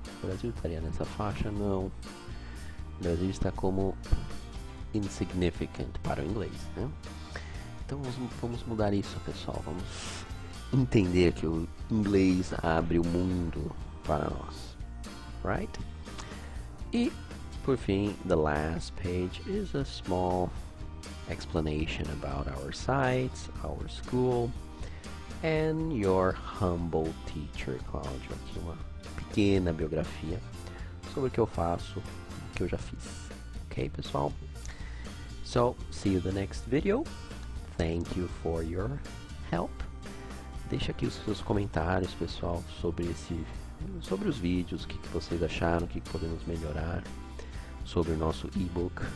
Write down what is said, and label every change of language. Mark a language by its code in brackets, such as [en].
[pt] O Brasil estaria nessa faixa? Não. O Brasil está como insignificant para o inglês, né? Então vamos mudar isso, pessoal. Vamos entender que o inglês abre o mundo para nós. [en] Right? [pt] E, por fim, [en] the last page is a small explanation about our sites, our school, and your humble teacher, Claudio. [pt] Aqui uma pequena biografia sobre o que eu faço, o que eu já fiz. Okay, pessoal. [en] So, see you in the next video. Thank you for your help. [pt] Deixa aqui os seus comentários, pessoal, sobre esse, sobre os vídeos, o que, que vocês acharam, o que, que podemos melhorar, sobre o nosso e-book.